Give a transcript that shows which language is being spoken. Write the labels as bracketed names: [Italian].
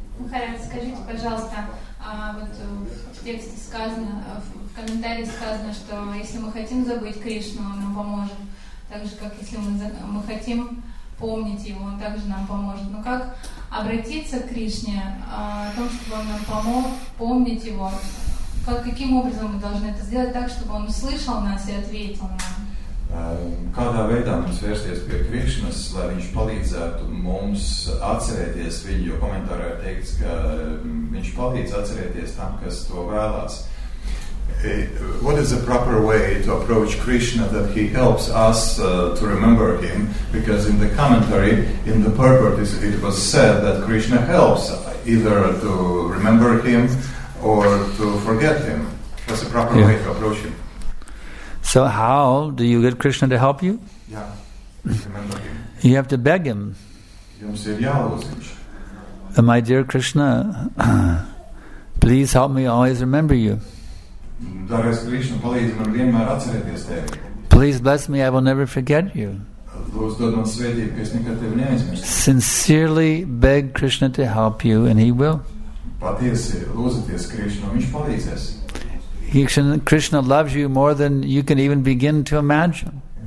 [Russian] Харам, скажите, пожалуйста, вот в тексте сказано, в комментарии сказано, что если мы хотим забыть Кришну, он нам поможет. Так же, как если мы хотим помнить его, он также нам поможет. Но как обратиться к Кришне, о том, чтобы он нам помог помнить его? Каким образом мы должны это сделать так, чтобы он услышал нас и ответил нам? [Latvian] Kādā veidā mums vērsties pie Krišnas, lai viņš palīdzētu mums atcerēties viņu, jo komentārā ir teikts, ka viņš palīdz atcerēties tam, kas to vēlās. [English] What is the proper way to approach Krishna that he helps us to remember him? Because in the commentary, in the purport, it was said that Krishna helps either to remember him or to forget him. What's the proper way to approach him? So how do you get Krishna to help you? Yeah. You have to beg him. [Latvian] Jums ir jālūz viņš. [English] My dear Krishna, please help me always remember you. [Latvian] Dargais Krishna, palīdz man vienmēr atcerēties tevi. [English] Please bless me, I will never forget you. [Latvian] Lūdzu, dod man svētību, ka es nekad tevi neaizmirstu. [English] Sincerely beg Krishna to help you, and he will. [Latvian] Patiesi, lūdzieties Krishna, viņš palīdzēs. [English] Krishna loves you more than you can even begin to imagine.